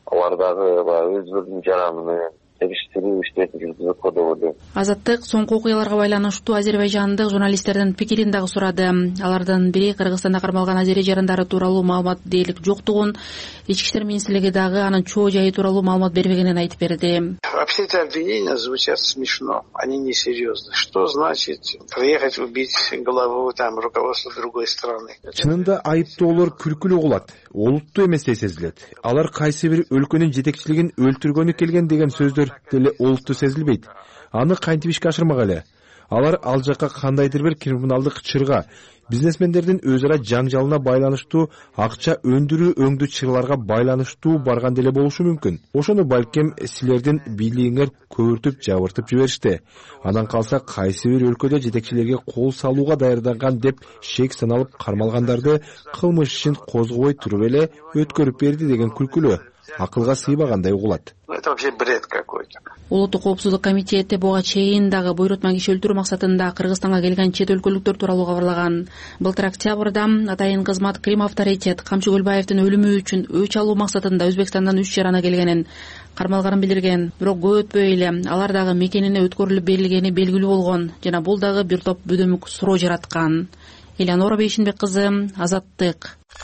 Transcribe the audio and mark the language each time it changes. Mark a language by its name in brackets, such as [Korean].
[Kyrgyz] Алар дагы баягы өздөрүнүн жараны менен териштирүү иштерин жүргүзүп коюп деп ойлойм. Азаттык соңку окуяларга байланыштуу азербайжандык журналисттердин пикирин дагы сурады. Алардын бири Кыргызстанда кармалган азери жарандары тууралуу маалымат дээрлик жоктугун, ички иштер министрлиги дагы анын чоо жайы тууралуу маалымат бербегенин айтып берди. [Russian] Вообще эти обвинения звучат смешно, они не серьезны. Что значит приехать убить главу там руководства другой страны? [Kyrgyz] Чынында айыптоолор күлкүлүү болот. Олуттуу эмес дей сезилет. Алар кайсы бир өлкөнүн жетекчилигин өлтүргөнү келген деген сөздөр деле олуттуу сезилбейт. Аны кантип ишке ашырмак эле? Алар ал жакка кандайдыр бир криминалдык чырга, бизнесмендердин өз ара жаңжалына байланыштуу акча өндүрүү өңдүү чырларга байланыштуу барган деле болушу мүмкүн. Ошону балким силердин бийлигиңер көөртүп жабыртып жиберишти. Анан калса кайсы бир өлкөдө жетекчилерге кол салууга даярданган деп шек саналып кармалгандарды кылмыш ишин козгобой туруп эле өткөрүп берди деген күлкүлүү. акылга сыйбагандай угулат. [Russian] Это вообще бред какой-то. [Kyrgyz] Улуттук коопсуздук комитети буга чейин дагы буйрутма кечилтүрүү максатында Кыргызстанга келген чет өлкөлүктөр тууралуу кабарлаган. Былтыр октябрда атайын кызмат Крим авторитет Камчы Көлбаевдин өлүмү үчүн өч алуу максатында Өзбекстандан 3 жараны келгенин кармалгарын билдирген, бирок көп өтпөй эле алар дагы мекенине өткөрүлүп берилгени белгилүү болгон жана бул дагы бир топ бүдүмүк суроо жараткан. Элеонора Бейшинбек кызы, Азаттык.